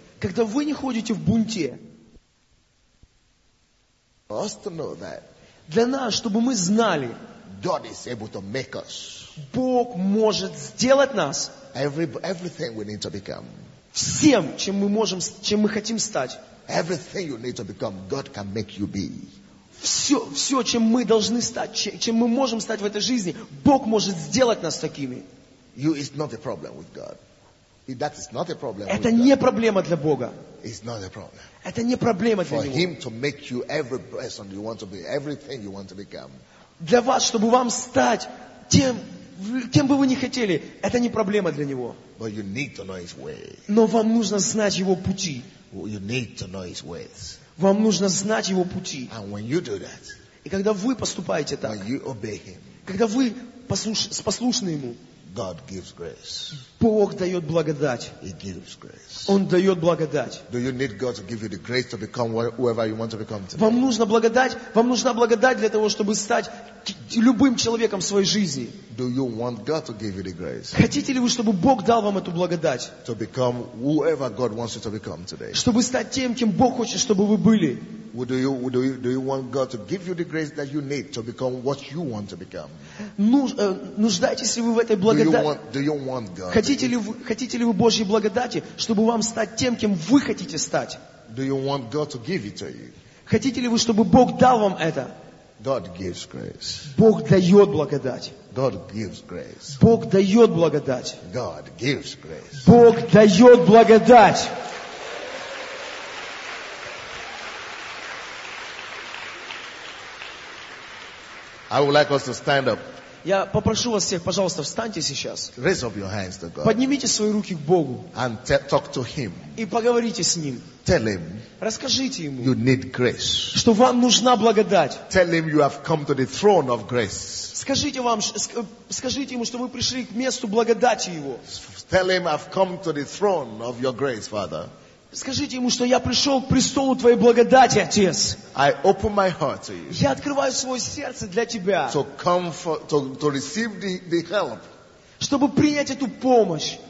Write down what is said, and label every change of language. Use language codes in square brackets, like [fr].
[ru] Когда вы не ходите в бунте. [en] For us to know that. [ru] Для нас, чтобы мы знали. [en] God is able to make us. [ru] Бог может сделать нас. [en] Everything we need to become. [ru] Всем, чем мы можем, чем мы хотим стать. [en] Everything you need to become, God can make you be. [ru] Все, чем мы должны стать, чем мы можем стать в этой жизни, Бог может сделать нас такими. [en] You is not a problem with God. That is not a problem. [ru] Это не проблема для Бога. [en] It's not a problem. [ru] Это не проблема для него. [en] For him to make you every person you want to be, everything you want to become. [ru] Для вас, чтобы вам стать тем, кем бы вы ни хотели, это не проблема для него. [en] But you need to know his way. [ru] Но вам нужно знать его пути. [en] You need to know his ways. [ru] Вам нужно знать его пути. [en] And when you do that, [ru] и когда вы поступаете так, [en] when you obey him, [ru] когда вы послушны ему, [en] God gives grace. [ru] Бог дает благодать. [en] He gives grace. [ru] Он дает благодать. [en] Do you need God to give you the grace to become whoever you want to become today? [ru] Вам нужна благодать. Вам нужна благодать для того, чтобы стать любым человеком в своей жизни. [en] Do you want God to give you the grace? [ru] Хотите ли вы, чтобы Бог дал вам эту благодать? [en] To become whoever God wants you to become today. [ru] Чтобы стать тем, кем Бог хочет, чтобы вы были. [en] Do you want God to give you the grace that you need to become what you want to become? [ru] Нуждаетесь ли вы в этой благодати? Хотите ли вы Божьей благодати, чтобы вам стать тем, кем вы хотите стать? [en] Do you want God to give it to you? [ru] Хотите ли вы, чтобы Бог дал вам это? [en] God gives grace. [ru] Бог дает благодать. [en] God gives grace. [ru] Бог дает благодать. [en] God gives grace. [ru] Бог дает благодать. [en] I would like us to stand up. [ru] Я попрошу вас всех, пожалуйста, встаньте сейчас. [en] Raise up your hands to God. [ru] Поднимите свои руки к Богу. [en] And talk to him. [ru] И поговорите с ним. [en] Tell him. [ru] Расскажите ему. [en] You need grace. [ru] Что вам нужна благодать. [en] Tell him you have come to the throne of grace. [ru] Скажите ему, что вы пришли к месту благодати его. [en] Tell him I've come to the throne of your grace, Father. [ru] Скажите ему, что я пришел к престолу твоей благодати, Отец. [en] I open my heart to you. [ru] Я открываю свое сердце для тебя. [en] To comfort, to receive the help. [ru] Чтобы принять эту помощь.